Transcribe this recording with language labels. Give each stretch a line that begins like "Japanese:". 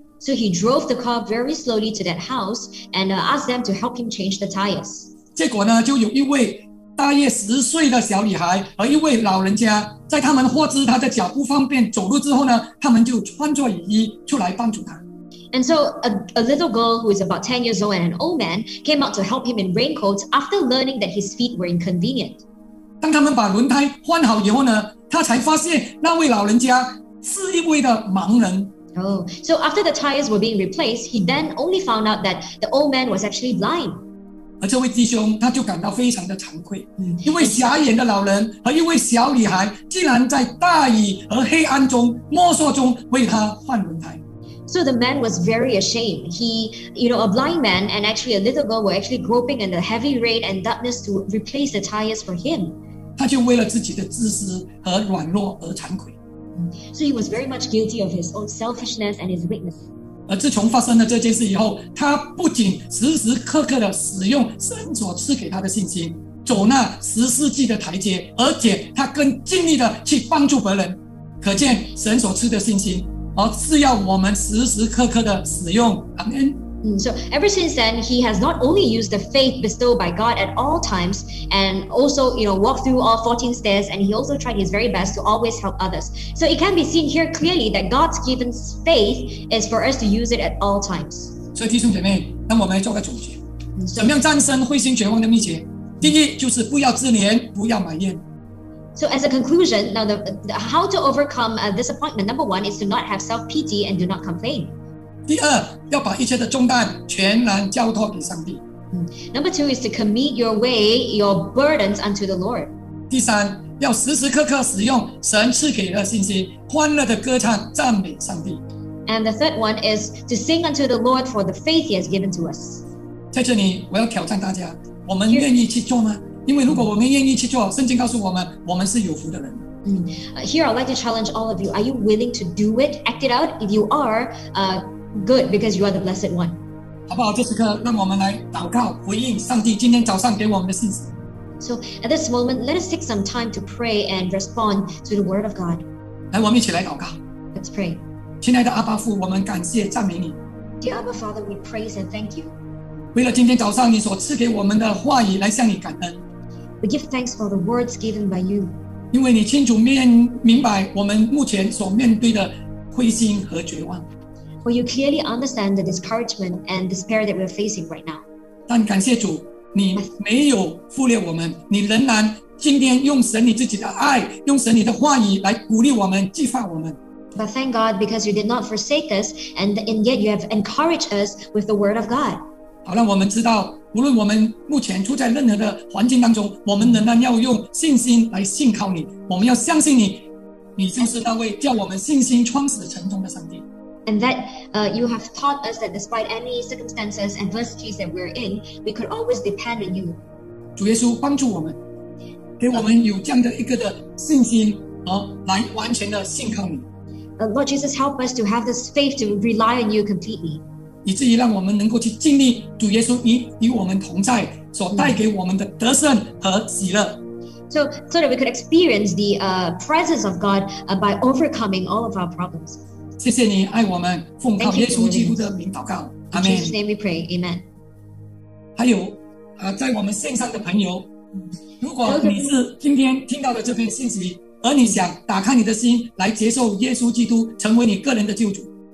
English: So he drove the car very slowly to that house and asked them to help him change the tires.
Chinese: 结果呢，就有一位大约10岁的小女孩和一位老人家，在他们获知他的脚不方便走路之后呢，他们就穿着雨衣出来帮助他。
English: And so a little girl who is about 10 years old and an old man came out to help him in raincoats after learning that his feet were inconvenient.
Chinese: 当他们把轮胎换好以后呢，他才发现那位老人家是一位的盲人。
English: Oh, so after the tires were being replaced, he then only found out that the old man was actually blind.
Chinese: 而这位弟兄他就感到非常的惭愧，一位瞎眼的老人和一位小女孩竟然在大雨和黑暗中摸索中为他换轮胎。
English: So the man was very ashamed. He, you know, a blind man and actually a little girl were actually groping in the heavy rain and darkness to replace the tires for him.
Chinese: 他就为了自己的自私和软弱而惭愧。
English: So he was very much guilty of his own selfishness and his weakness.
Chinese: 而自从发生了这件事以后，他不仅时时刻刻地使用神所赐给他的信心，走那十四级的台阶，而且他更尽力地去帮助别人。可见神所赐的信心，是要我们时时刻刻地使用。
English: Amen. So ever since then, he has not only used the faith bestowed by God at all times, and also, you know, walked through all 14 stairs, and he also tried his very best to always help others. So it can be seen here clearly that God's given faith is for us to use it at all times.
Chinese: 所以弟兄姐妹，让我们做个总结。怎么样战胜灰心绝望的秘诀？第一，就是不要自怜，不要埋怨。
English: So as a conclusion, now the how to overcome disappointment, number one is to not have self-pity and do not complain.
Chinese: 第二，要把一切的重担全然交托给上帝。
English: Number two is to commit your way, your burdens unto the Lord.
Chinese: 第三，要时时刻刻使用神赐给的信心，欢乐的歌唱赞美上帝。
English: And the third one is to sing unto the Lord for the faith He has given to us.
Chinese: 在这里，我要挑战大家，我们愿意去做吗？因为如果我们愿意去做，圣经告诉我们，我们是有福的人。
English: Here I'd like to challenge all of you. Are you willing to do it, act it out? If you are, good, because you are the blessed one.
Chinese: 好不好？这时刻让我们来祷告，回应上帝今天早上给我们的信息。
English: So at this moment, let us take some time to pray and respond to the word of God.
Chinese: 来，我们一起来祷告。
English: Let's pray.
Chinese: 亲爱的阿爸父，我们感谢赞美你。
English: Dear Abba Father, we praise and thank you.
Chinese: 为了今天早上你所赐给我们的话语，来向你感恩。
English: We give thanks for the words given by you.
Chinese: 因为你清楚明白我们目前所面对的灰心和绝望。
English: Well, you clearly understand the discouragement and despair that we're facing right now.
Chinese: 但感谢主，你没有忽略我们，你仍然今天用神你自己的爱，用神你的话语来鼓励我们，激发我们。
English: But thank God because you did not forsake us, and yet you have encouraged us with the word of God.
Chinese: 好，让我们知道。无论我们目前处在任何的环境当中，我们仍然要用信心来信靠你。我们要相信你，你就是那位叫我们信心创始成终的上帝。
English: And that, you have taught us that despite any circumstances and adversities that we're in, we could always depend on you.
Chinese: 主耶稣帮助我们，给我们有这样的一个的信心，来完全的信靠你。
English: Lord Jesus, help us to have this faith to rely on you completely.
Chinese: 以至于让我们能够去经历主耶稣与我们同在所带给我们的得胜和喜乐。
English: So that we could experience the presence of God by overcoming all of our problems.
Chinese: 谢谢你爱我们，奉靠耶稣基督的名祷告。
English: Amen. In Jesus' name we pray. Amen.
Chinese: 还有，在我们线上的朋友，如果你是今天听到的这篇信息，而你想打开你的心来接受耶稣基督成为你个人的救主。